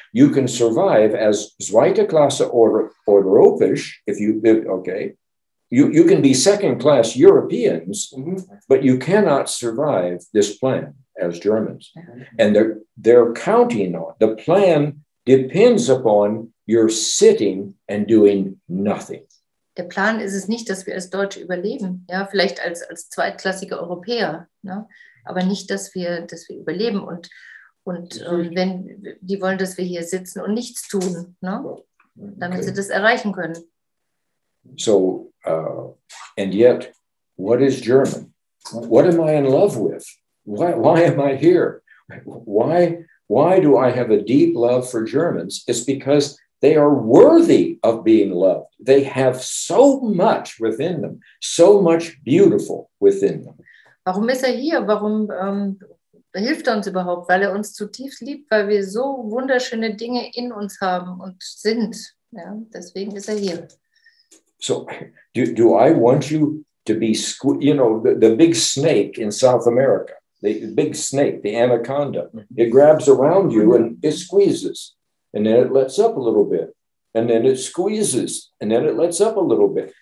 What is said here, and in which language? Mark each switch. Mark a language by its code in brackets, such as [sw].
[en] You can survive as [de] zweite Klasse oder Europäisch, [en] you can be second class Europeans, but you cannot survive this plan as Germans. And they're counting on, the plan depends upon your sitting and doing nothing. [de] Der Plan ist es nicht, dass wir als Deutsche überleben, ja, vielleicht als zweitklassige Europäer, ne? Aber nicht, dass wir überleben und wenn die wollen, dass wir hier sitzen und nichts tun, ne? Damit sie das erreichen können. [en] So, and yet, what is German? What am I in love with? Why am I here? Why do I have a deep love for Germans? It's because they are worthy of being loved. They have so much within them, so much beautiful within them. [de] Warum ist er hier? Warum hilft er uns überhaupt? Weil er uns zutiefst liebt, weil wir so wunderschöne Dinge in uns haben und sind. Ja, deswegen ist er hier. [en] So, do I want you to be, the big snake in South America, the big snake, the anaconda, it grabs around you and it squeezes. And then it lets up a little bit, and then it squeezes, and then it lets up a little bit.